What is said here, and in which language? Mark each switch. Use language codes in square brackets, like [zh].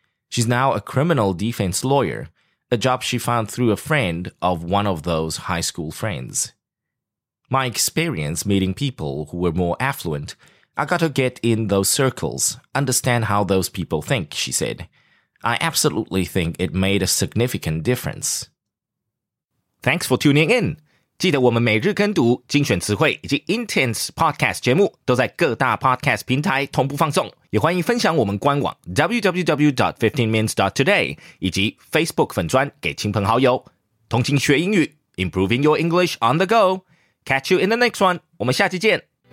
[en] She's now a criminal defense lawyer, a job she found through a friend of one of those high school friends. My experience meeting people who were more affluent, I got to get in those circles, understand how those people think, she said. I absolutely think it made a significant difference. Thanks for tuning in! [zh] 记得我们每日跟读精选词汇以及 Intense Podcast 节目都在各大 Podcast 平台同步放送，也欢迎分享我们官网 www.15mins.today 以及 Facebook 粉专给亲朋好友。同情学英语 [en] Improving your English on the go. Catch you in the next one. [zh] 我们下期见。